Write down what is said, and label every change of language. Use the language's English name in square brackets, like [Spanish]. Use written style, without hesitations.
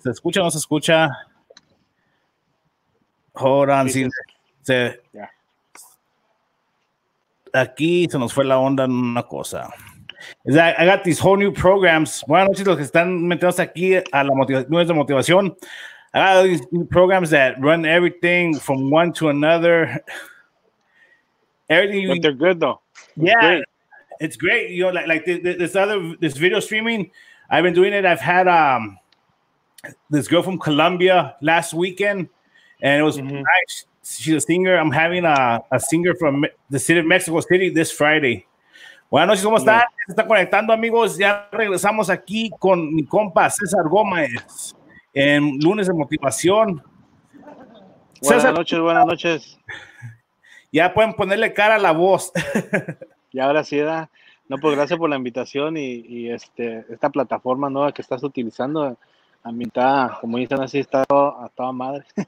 [Spanish] ¿Se escucha o no se escucha? [English] Hold on. [Spanish] Aquí se nos fue la onda en una cosa. [English] I got these whole new programs. [Spanish] Buenas noches los que están metidos aquí a la Lunes de Motivación. [English] I got these new programs that run everything from one to another. Everything. But they're good, though. Yeah. It's great. You know, like this video streaming, I've been doing it. I've had this girl from Colombia last weekend, and it was nice. She's a singer. I'm having a singer from the city of Mexico City this Friday. [Spanish] Buenas noches, ¿cómo están? Se están conectando, amigos. Ya regresamos aquí con mi compa, César Gómez, en Lunes de Motivación. Buenas noches. Ya pueden ponerle cara a la voz. Y ahora sí, ¿verdad? No, pues gracias por la invitación y esta plataforma nueva que estás utilizando, a mitad, como dicen así, está a toda madre.